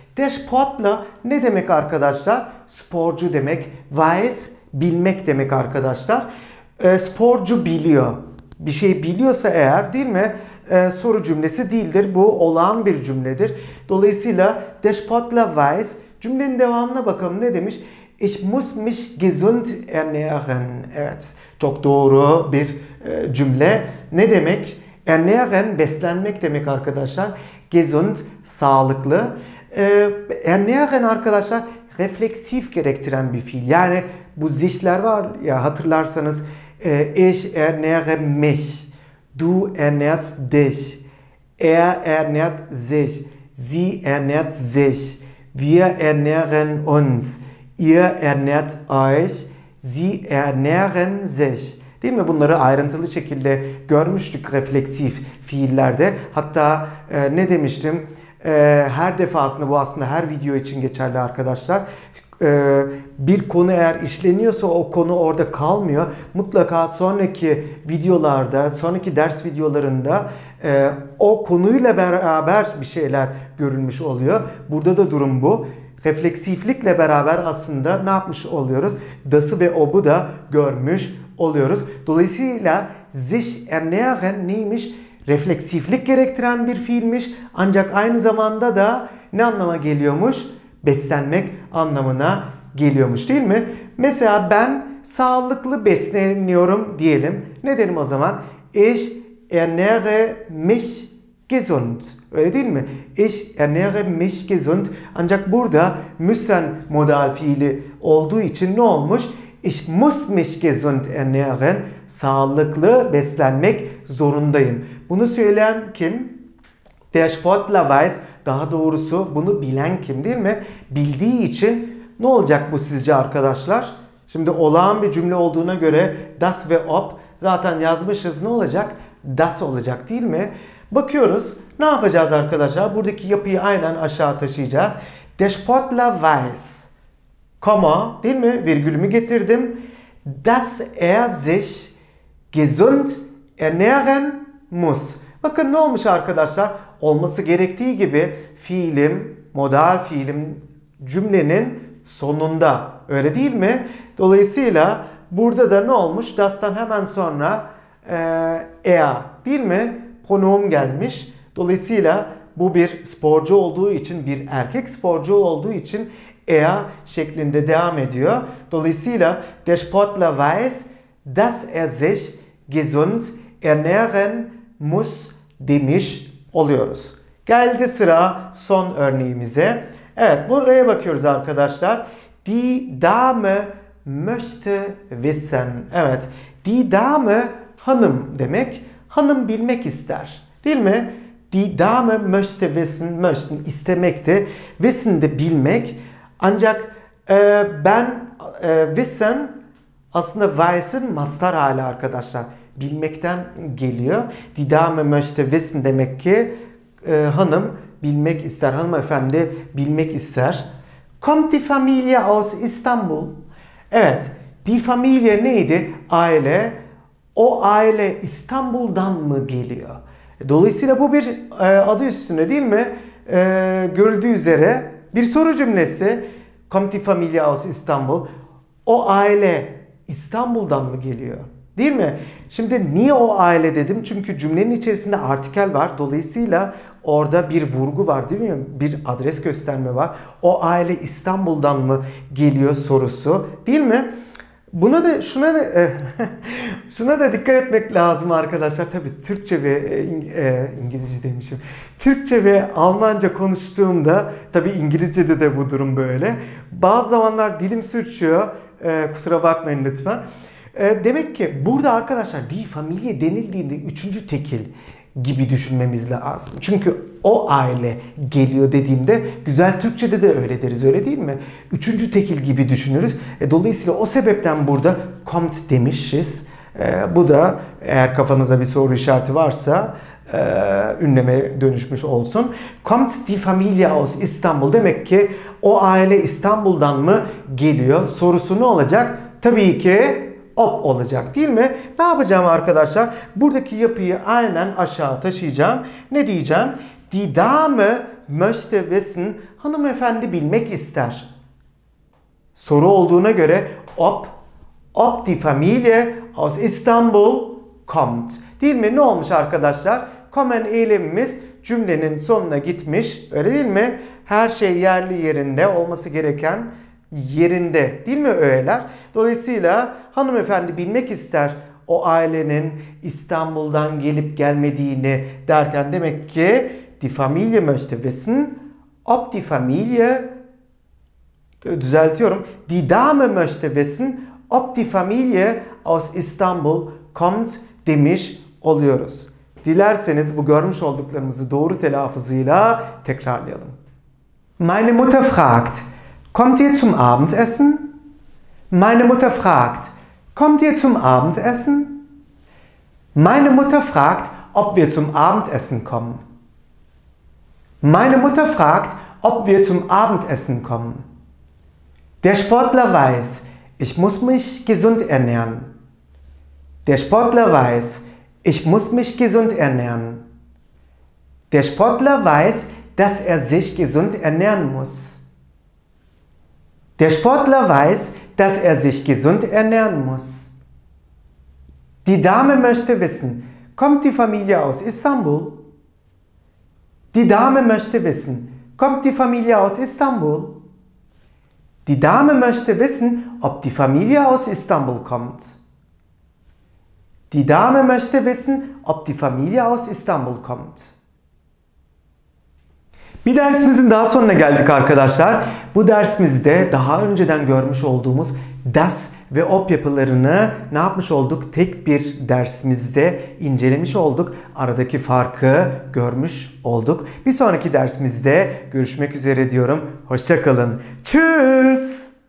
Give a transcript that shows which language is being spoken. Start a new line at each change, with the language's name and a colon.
Turkish: Despotla ne demek arkadaşlar? Sporcu demek. Weiss bilmek demek arkadaşlar. Sporcu biliyor. Bir şey biliyorsa eğer, değil mi? Soru cümlesi değildir. Bu olağan bir cümledir. Dolayısıyla
German: Despotla Weiss
Turkish: cümlenin devamına bakalım ne demiş?
German: Ich muss mich gesund ernähren.
Turkish: Evet, çok doğru bir cümle. Ne demek? Ernähren beslenmek demek arkadaşlar. Gesund, sağlıklı. Ernähren arkadaşlar refleksif gerektiren bir fiil. Yani bu zişler var ya, hatırlarsanız.
German: Ich ernähre mich. Du ernährst dich. Ernährt sich. Sie ernährt sich. Wir ernähren uns. Ihr ernährt euch, sie ernähren sich.
Turkish: Değil mi? Bunları ayrıntılı şekilde görmüştük refleksif fiillerde. Hatta ne demiştim? Her defasında, bu aslında her video için geçerli arkadaşlar. Bir konu eğer işleniyorsa o konu orada kalmıyor. Mutlaka sonraki videolarda, sonraki ders videolarında o konuyla beraber bir şeyler görülmüş oluyor. Burada da durum bu. Refleksiflikle beraber aslında ne yapmış oluyoruz? Das'ı ve ob'u da görmüş oluyoruz. Dolayısıyla sich ernähren neymiş? Refleksiflik gerektiren bir fiilmiş. Ancak aynı zamanda da ne anlama geliyormuş? Beslenmek anlamına geliyormuş, değil mi? Mesela ben sağlıklı besleniyorum diyelim. Ne derim o zaman?
German: Ich ernähre mich gesund.
Turkish: Öyle değil mi?
German: Ich ernähre mich gesund.
Turkish: Ancak burada müssen modal fiili olduğu için ne olmuş?
German: Ich muss mich gesund ernähren.
Turkish: Sağlıklı beslenmek zorundayım. Bunu söyleyen kim?
German: Der Sportler weiß.
Turkish: Daha doğrusu bunu bilen kim, değil mi? Bildiği için ne olacak bu sizce arkadaşlar? Şimdi olağan bir cümle olduğuna göre das ve ob zaten yazmışız. Ne olacak? Das olacak, değil mi? Bakıyoruz. Ne yapacağız arkadaşlar? Buradaki yapıyı aynen aşağı taşıyacağız.
German: Despotla weiß. Komma,
Turkish: değil mi? Virgülümü getirdim.
German: Das er sich gesund ernähren muss.
Turkish: Bakın ne olmuş arkadaşlar? Olması gerektiği gibi fiilim, modal fiilim cümlenin sonunda. Öyle değil mi? Dolayısıyla burada da ne olmuş? Das'tan hemen sonra er, değil mi? Pronoun gelmiş. Dolayısıyla bu bir sporcu olduğu için, bir erkek sporcu olduğu için er şeklinde devam ediyor. Dolayısıyla
German: der Sportler weiß, dass er sich gesund ernähren muss
Turkish: demiş oluyoruz. Geldi sıra son örneğimize. Evet, buraya bakıyoruz arkadaşlar.
German: Die Dame möchte wissen.
Turkish: Evet, die Dame hanım demek. Hanım bilmek ister, değil mi?
German: Die Dame möchte wissen,
Turkish: möchte istemekti. Wissen de bilmek. Ancak ben wissen aslında weiß'in mastar hali arkadaşlar. Bilmekten geliyor.
German: Die Dame möchte wissen
Turkish: demek ki hanım bilmek ister, hanımefendi bilmek ister.
German: Kommt die Familie aus Istanbul?
Turkish: Evet. Die Familie neydi? Aile. O aile İstanbul'dan mı geliyor? Dolayısıyla bu bir adı üstüne, değil mi? Görüldüğü üzere bir soru cümlesi.
German: Kommt die Familie aus Istanbul?
Turkish: O aile İstanbul'dan mı geliyor? Değil mi? Şimdi niye o aile dedim? Çünkü cümlenin içerisinde artikel var. Dolayısıyla orada bir vurgu var, değil mi? Bir adres gösterme var. O aile İstanbul'dan mı geliyor sorusu, değil mi? Buna da şuna da dikkat etmek lazım arkadaşlar. Tabii Türkçe ve İngilizce demişim. Türkçe ve Almanca konuştuğumda, tabii İngilizce'de de bu durum böyle. Bazı zamanlar dilim sürçüyor. Kusura bakmayın lütfen. Demek ki burada arkadaşlar die Familie denildiğinde üçüncü tekil gibi düşünmemiz lazım. Çünkü o aile geliyor dediğimde güzel Türkçe'de de öyle deriz, öyle değil mi? Üçüncü tekil gibi düşünürüz. Dolayısıyla o sebepten burada kommt demişiz. Bu da eğer kafanıza bir soru işareti varsa ünleme dönüşmüş olsun.
German: Kommt die Familie aus İstanbul.
Turkish: Demek ki o aile İstanbul'dan mı geliyor? Sorusu ne olacak? Tabii ki op olacak, değil mi? Ne yapacağım arkadaşlar? Buradaki yapıyı aynen aşağı taşıyacağım. Ne diyeceğim?
German: Die Dame möchte wissen.
Turkish: Hanımefendi bilmek ister. Soru olduğuna göre
German: ob die Familie aus Istanbul kommt.
Turkish: Değil mi? Ne olmuş arkadaşlar? Kommen eylemimiz cümlenin sonuna gitmiş. Öyle değil mi? Her şey yerli yerinde olması gereken yerinde, değil mi öğeler? Dolayısıyla hanımefendi bilmek ister o ailenin İstanbul'dan gelip gelmediğini derken demek ki
German: die Familie möchte wissen, ob die Familie,
Turkish: düzeltiyorum,
German: die Dame möchte wissen, ob die Familie aus Istanbul kommt
Turkish: demiş oluyoruz. Dilerseniz bu görmüş olduklarımızı doğru telaffuzuyla tekrarlayalım.
German: Meine Mutter fragt, kommt ihr zum Abendessen? Meine Mutter fragt, kommt ihr zum Abendessen? Meine Mutter fragt, ob wir zum Abendessen kommen. Meine Mutter fragt, ob wir zum Abendessen kommen. Der Sportler weiß, ich muss mich gesund ernähren. Der Sportler weiß, ich muss mich gesund ernähren. Der Sportler weiß, dass er sich gesund ernähren muss. Der Sportler weiß, dass er sich gesund ernähren muss. Die Dame möchte wissen, kommt die Familie aus Istanbul? Die Dame möchte wissen, kommt die Familie aus Istanbul? Die Dame möchte wissen, ob die Familie aus Istanbul kommt. Die Dame möchte wissen, ob die Familie aus Istanbul kommt.
Turkish: Bir dersimizin daha sonuna geldik arkadaşlar. Bu dersimizde daha önceden görmüş olduğumuz das ve ob yapılarını ne yapmış olduk? Tek bir dersimizde incelemiş olduk. Aradaki farkı görmüş olduk. Bir sonraki dersimizde görüşmek üzere diyorum. Hoşça kalın. Tschüss.